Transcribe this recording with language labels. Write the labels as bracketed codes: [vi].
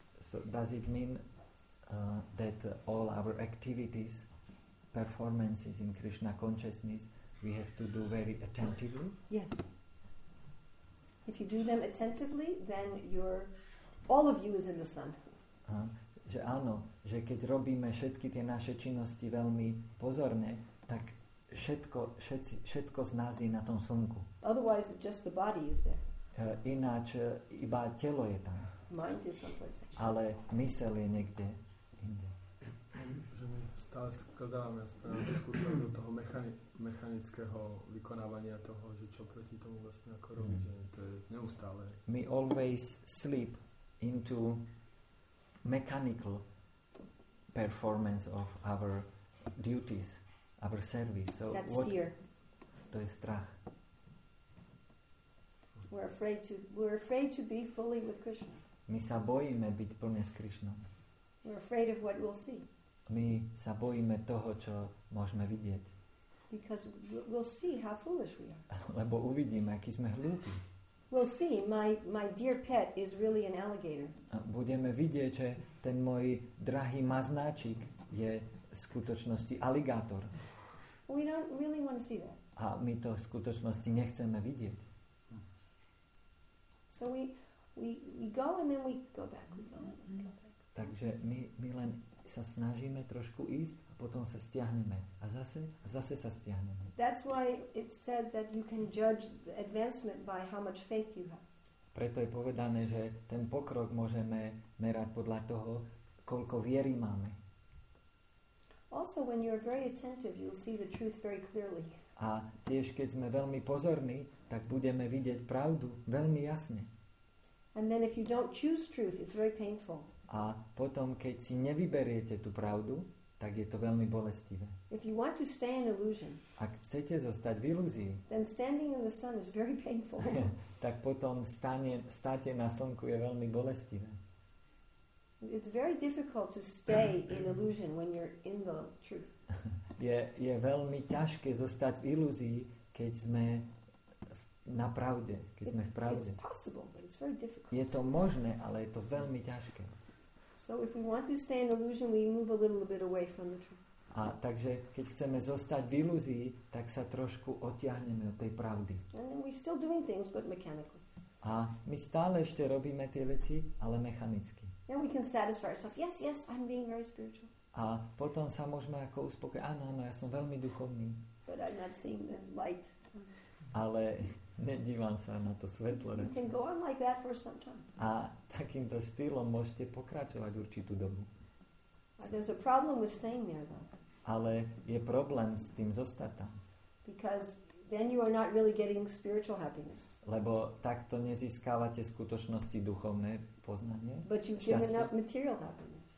[en] So does it mean that all our activities, performances in Krishna consciousness, we have to do very attentively? Yes. If you do them attentively, then you're all of you is in the sun. [sk] Že áno, že keď robíme všetky tie naše činnosti veľmi pozorne, tak všetko z nás je na tom slnku. [en] Otherwise, just the body is there. [sk] Ináč iba telo je tam. [en] Mind is someplace. [sk] Ale mysel je niekde inde. Že my stále skladávame a spravujeme tú skúsenosť do toho mechanického vykonávania toho, že čo proti tomu vlastne ako robí, že to je neustále. [en] We always sleep into mechanical performance of our duties, our service. So that's fear. [sk] To je strach. [en] We're afraid to be fully with Krishna. [sk] My sa bojíme byť plne s Krishnou. [en] We're afraid of what we'll see. [sk] My sa bojíme toho, čo môžeme vidieť. [en] Because we'll see how foolish we are. [sk] Lebo uvidíme, aký sme hlúpi. [en] We'll see, my dear pet is really an alligator. [sk] Budeme vidieť, že ten môj drahý maznáčik je v skutočnosti aligátor. [en] We don't really want to see that. [sk] A my to v skutočnosti nechceme vidieť. [en] So we go and then we go back. We go and then we go back. [sk] Takže my len sa snažíme trošku ísť a potom sa stiahneme. A zase sa stiahneme. [en] That's why it's said that you can judge the advancement by how much faith you have. [sk] Preto je povedané, že ten pokrok môžeme merať podľa toho, koľko viery máme. [en] Also when you are very attentive, you'll see the truth very clearly. [sk] A tiež keď sme veľmi pozorní, tak budeme vidieť pravdu veľmi jasne. [en] And then if you don't choose truth, it's very painful. [sk] A potom keď si nevyberiete tú pravdu, tak je to veľmi bolestivé. [en] If you want to stay in illusion, [sk] ak chcete zostať v ilúzii, [en] then standing in the sun is very painful. [sk] Tak potom státe na slnku je veľmi bolestivé. [en] It's very difficult to stay in illusion when you're in the truth. [sk] Je veľmi ťažké zostať v ilúzii, keď sme na pravde, keď sme v pravde. [en] It's possible, but it's very difficult. [sk] Je to možné, ale je to veľmi ťažké. [en] So if we want to stay in illusion, we move a little bit away from the truth. [sk] A takže keď chceme zostať v ilúzii, tak sa trošku odtiahneme od tej pravdy. [en] And then we're still doing things, but mechanically. [sk] A my stále ešte robíme tie veci, ale mechanicky. [en] Then we can satisfy ourselves. Yes, I'm being very spiritual. [sk] A potom sa môžeme ako uspokojiť. Áno, ja som veľmi duchovný. [en] But I'm not seeing the light. [sk] Ale nedívam sa na to svetlo. [en] You can go on like that for some time. [sk] A takýmto štýlom môžete pokračovať určitú dobu. [en] There's a problem with staying there, though. [sk] Ale je problém s tým zostať tam. [en] Because then you are not really getting spiritual happiness. [sk] Lebo takto nezískávate skutočnosti duchovné poznanie. [en] But you've given up material happiness.